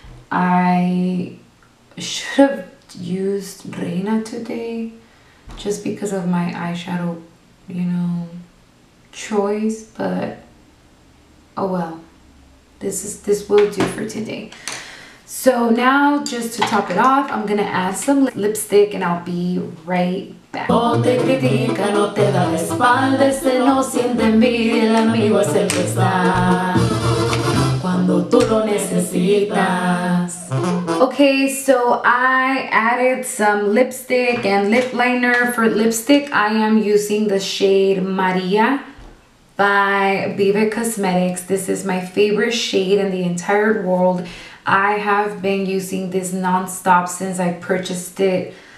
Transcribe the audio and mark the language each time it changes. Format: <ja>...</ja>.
<en>I should have used Reina today just because of my eyeshadow, you know, choice, but oh well. This will do for today. So now, just to top it off, I'm gonna add some lipstick and I'll be right back.</en> <es>No te critica, no te da la espalda, se no siente envidia, el amigo es el que está cuando tú lo necesitas.</es> <en>Okay, so I added some lipstick and lip liner. For lipstick, I am using the shade Maria by Vive Cosmetics. This is my favorite shade in the entire world. I have been using this nonstop since I purchased it.</en>